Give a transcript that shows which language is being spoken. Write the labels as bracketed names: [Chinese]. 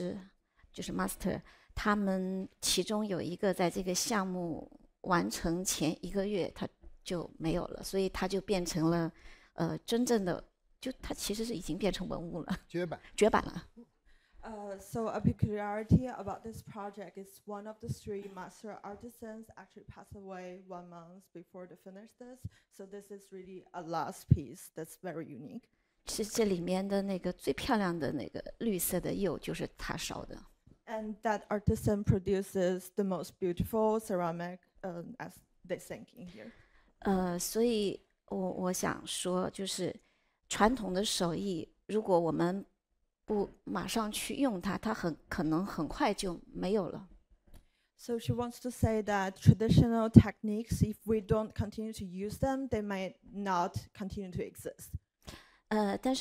[Chinese] 所以我们这个项目很特别的地方是三个大师，就是master, 他们其中有一个在这个项目完成前一个月他就没有了，所以他就变成了真正的，就他其实是已经变成文物了，绝版了。 [English] So a peculiarity about this project is one of the three master artisans actually passed away 1 month before they finished this. So this is really a last piece that's very unique. [Chinese] 是这里面的那个最漂亮的那个绿色的釉就是他烧的。 [English] And that artisan produces the most beautiful ceramic as they sink in here. [Chinese] 所以我想说就是传统的手艺如果我们 不马上去用它，它很可能很快就没有了。So [English] she wants to say that traditional techniques, if we don't continue to use them, they might not continue to exist.